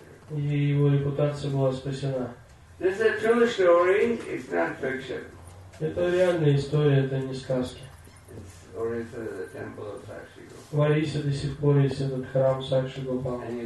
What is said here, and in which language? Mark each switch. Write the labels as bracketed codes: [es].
[ru] И его репутация была спасена. [en] This is a true story. It's not fiction. [ru] Это реальная история, это не сказки. В Орисе до сих пор есть этот храм Сакши Гопала.